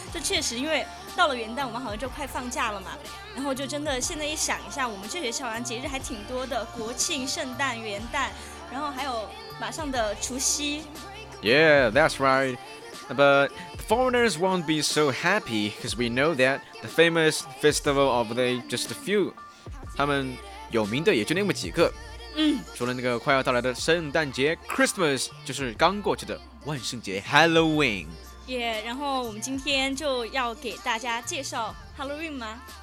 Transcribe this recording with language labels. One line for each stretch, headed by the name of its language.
Chinese: 这确实，因为到了元旦，我们好像就快放假了嘛。然后就真的现在一想一下，我们这学校好像节日还挺多的，国庆、圣诞、元旦，然后还有马上的除夕。
English: Yeah, that's right. But the foreigners won't be so happy because we know that the famous festival of the just a few.
Chinese: 他们有名的也就那么几个。嗯，除了那个快要到来的圣诞节 Christmas， 就是刚过去的万圣节 Halloween。 Yeah, 然后我们今天就要给大家介绍 Halloween 吗？